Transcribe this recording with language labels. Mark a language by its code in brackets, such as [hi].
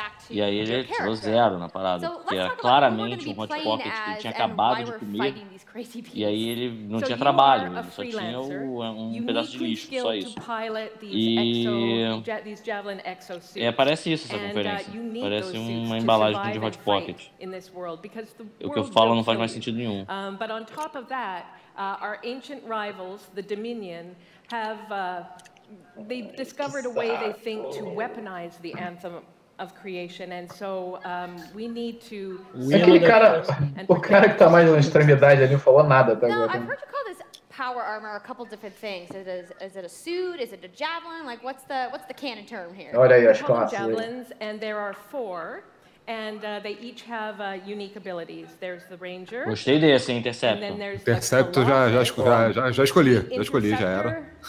[pt] E aí ele tirou zero na parada. Porque era claramente um Hot Pocket que ele tinha acabado de comer. E aí ele não tinha trabalho, ele só tinha um pedaço de lixo, só isso. E é, parece isso essa conferência, parece uma embalagem de Hot Pocket. O que eu falo não faz mais sentido nenhum. [en] Mas, on top of that, our ancient rivals, the Dominion, have discovered a way they think to weaponize the anthem of creation, and so we need to. [pt] Aquele cara, o cara que tá mais na extremidade ali, não falou nada até agora. [en] Now, I've heard you call this power armor a couple different things. Is it a suit? Is it a javelin? Like, what's the canon term here? [pt] Olha aí, as classes. [en] Javelins, and there are four. And they each have unique abilities. There's the ranger. [pt] Gostei desse, interceptor. Interceptor, já escolhi. Já escolhi, já era.